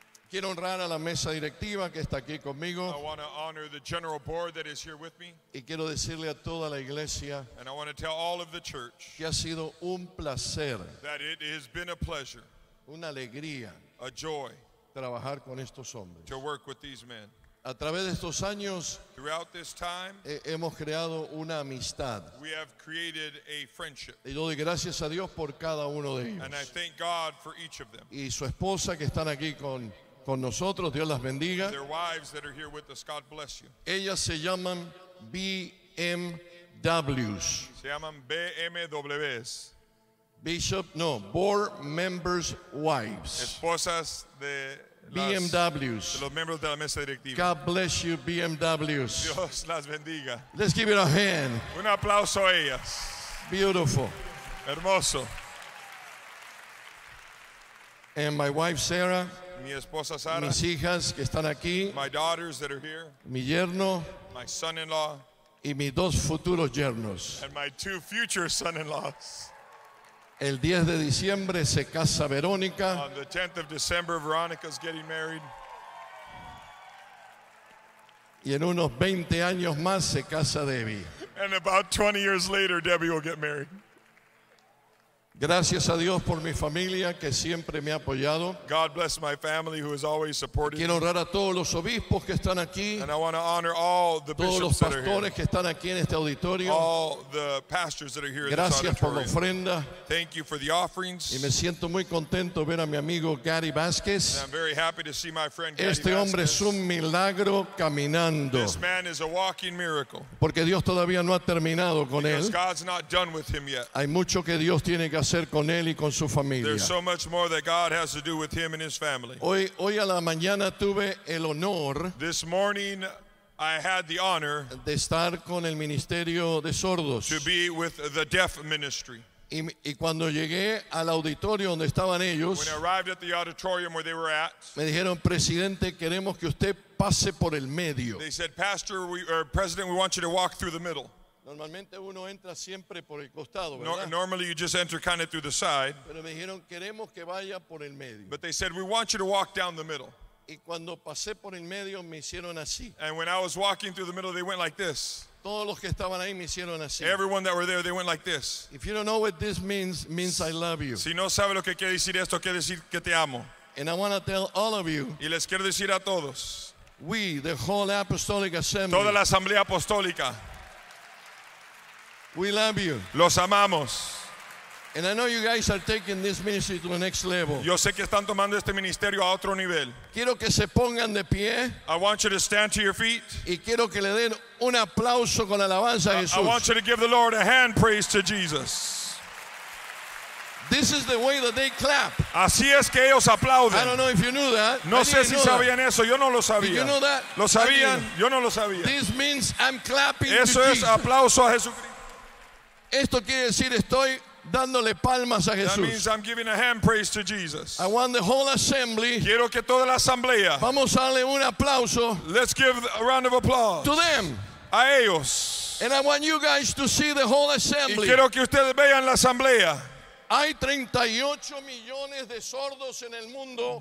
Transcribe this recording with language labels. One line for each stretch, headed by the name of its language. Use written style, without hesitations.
Spanish: Quiero honrar a la mesa directiva que está aquí conmigo.
English: I want to honor the general board that is here with me.
Spanish: Y quiero decirle a toda la iglesia.
English: And I want to tell all of the church.
Spanish: Que ha sido un placer.
English: That it has been a pleasure.
Spanish: Una alegría.
English: A joy.
Spanish: Trabajar con estos hombres.
English: To work with these men.
Spanish: A través de estos años,
English: throughout this time,
Spanish: hemos creado una amistad.
English: We have created a friendship.
Spanish: Y doy gracias a Dios por cada uno de ellos.
English: And I thank God for each of them.
Spanish: Y su esposa que están aquí con nosotros, Dios las bendiga.
English: Their wives that are here with us, God bless you.
Spanish: Ellas se llaman BMWs. Se llaman BMWs.
English: Bishop, no, board members' wives.
Spanish: Esposas de BMWs. De los miembros de la mesa directiva.
English: God bless you, BMWs.
Spanish: Dios las bendiga.
English: Let's give it a hand.
Spanish: Un aplauso a ellas.
English: Beautiful.
Spanish: Hermoso.
English: And my wife Sarah.
Spanish: Mi esposa Sara. Mis hijas que están aquí.
English: My daughters that are here.
Spanish: Mi yerno.
English: My son-in-law.
Spanish: Y mis dos futuros yernos.
English: And my two future son-in-laws.
Spanish: El 10 de diciembre se casa Verónica.
English: On the 10th of December, Veronica's getting married.
Spanish: Y en unos 20 años más se casa Debbie.
English: And about 20 years later, Debbie will get married.
Spanish: Gracias a Dios por mi familia que siempre me ha apoyado.
English: God bless my family who has always supported me.
Spanish: Quiero honrar a todos los obispos que están aquí.
English: And I want to honor all the bishops.
Spanish: Todos los pastores que están aquí en este auditorio.
English: All the pastors that are here.
Spanish: Gracias por la ofrenda.
English: Thank you for the offerings.
Spanish: Y me siento muy contento ver a mi amigo Gary Vázquez.
English: And I'm very happy to see my friend Gary.
Spanish: Este hombre es un milagro caminando.
English: This man is a walking miracle.
Spanish: Porque Dios todavía no ha terminado con él.
English: Because God's not done with him yet.
Spanish: Hay mucho que Dios tiene que hacer con él y con su familia.
English: There's so much more that God has to do with him and his family.
Spanish: Hoy a la mañana tuve el honor.
English: This morning I had the honor
Spanish: de estar con el ministerio de sordos.
English: To be with the deaf ministry.
Spanish: Y cuando llegué al auditorio donde estaban ellos,
English: when I arrived at the auditorium where they were at,
Spanish: me dijeron, Presidente, queremos que usted pase por el medio.
English: They said, Pastor, President, we want you to walk through the middle.
Spanish: Normalmente uno entra siempre por el costado, ¿verdad?
English: Normally you just enter kind of through the side.
Spanish: Pero me dijeron, queremos que vaya por el medio.
English: But they said, we want you to walk down the middle.
Spanish: Y cuando pasé por el medio, me hicieron así.
English: And when I was walking through the middle, they went like this.
Spanish: Todos los que estaban ahí me hicieron así.
English: Everyone that were there, they went like this. If you don't know what this means, it means I love you.
Spanish: Si no sabe lo que quiere decir esto, quiere decir que te amo.
English: And I want to tell all of you.
Spanish: Y les quiero decir a todos.
English: We, the whole Apostolic Assembly.
Spanish: Toda la Asamblea Apostólica.
English: We love you.
Spanish: Los amamos.
English: And I know you guys are taking this ministry to the next level.
Spanish: Yo sé que están tomando este ministerio a otro nivel. Quiero que se pongan de pie.
English: I want you to stand to your feet.
Spanish: Y quiero que le den un aplauso con alabanza a Jesús.
English: I want you to give the Lord a hand praise to Jesus. This is the way that they clap.
Spanish: Así es que ellos aplauden.
English: I don't know if you knew that.
Spanish: No sé si sabían eso. Yo no lo sabía.
English: Did you know that?
Spanish: Lo sabían. Yo no lo sabía.
English: This means I'm clapping to
Spanish: Jesus. Eso es aplauso a Jesucristo. Esto quiere decir estoy dándole palmas a Jesús.
English: That means I'm giving a hand praise to Jesus. I want the whole assembly.
Spanish: Quiero que toda la asamblea. Vamos a darle un aplauso.
English: Let's give a round of applause. To them.
Spanish: A ellos.
English: And I want you guys to see the whole assembly.
Spanish: Y quiero que ustedes vean la asamblea. Hay 38 millones de sordos en el mundo.